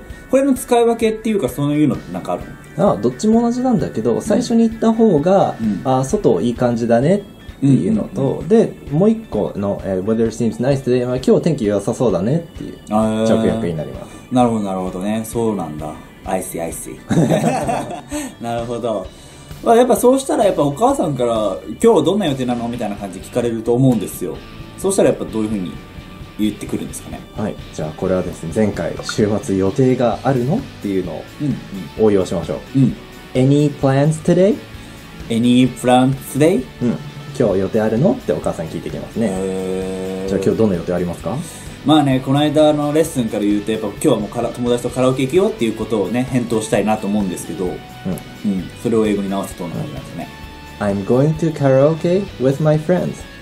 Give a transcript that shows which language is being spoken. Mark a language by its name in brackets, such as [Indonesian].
[Japanese] これの使い分けっていうか、そういうのなんかあるの？あ、どっちも同じなんだけど、最初に言った方が、うん、あ、外いい感じだねっていうのと、うんうんうん、で、もう一個の、 [English] Weather seems nice today [Japanese] は、今日天気良さそうだねっていう直訳になります。なるほどなるほどね、そうなんだ。 [English] I see I see [Japanese] なるほど。まあ、やっぱそうしたらやっぱお母さんから今日どんな予定なのみたいな感じ聞かれると思うんですよ。そうしたらやっぱどういう風に言ってくるんですかね。はい、じゃあこれはですね、前回週末予定があるのっていうのを応用しましょう。うん、 [English] Any plans today? Any plans today? [Japanese] うん、今日予定あるのってお母さんに聞いてきますね。じゃあ今日どんな予定ありますか？まあね、この間のレッスンから言うと、やっぱ今日はもう友達とカラオケ行くよっていうことをね返答したいなと思うんですけど、うん、うん、それを英語に直すとどんな感じなんですね。うん、 [English] I'm going to karaoke with my friends.